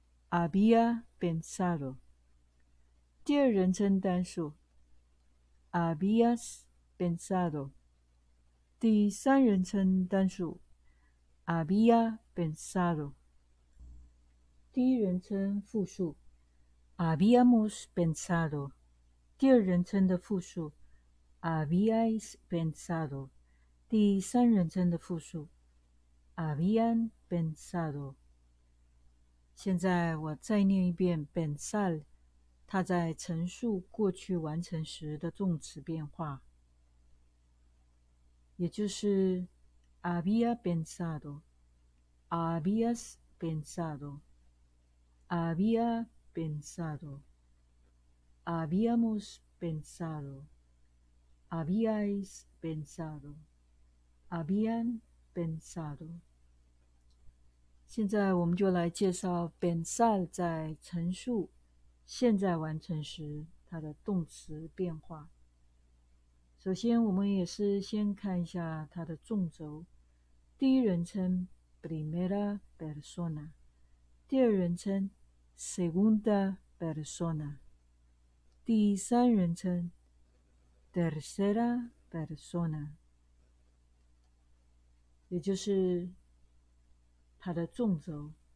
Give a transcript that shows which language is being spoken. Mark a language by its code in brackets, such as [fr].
[es] había pensado， [zh] 第二人称单数 [es] habías pensado， [zh] 第三人称单数 [es] había pensado， [zh] 第一人称复数 [es] habíamos pensado， [zh] 第二人称的复数 [es] habíais pensado， [zh] 第三人称的复数 [es] habían pensado。 [zh] 现在我再念一遍 pensar 它在陈述过去完成时的动词变化，也就是 [es] había pensado， habías pensado， había pensado， habíamos pensado， habíais pensado， habían pensado。 [zh] 现在我们就来介绍 pensar 在陈述现在完成时它的动词变化。首先我们也是先看一下它的纵轴，第一人称 [es] primera persona， [zh] 第二人称 [es] segunda persona， [zh] 第三人称 [es] tercera persona， [zh] 也就是它的纵轴。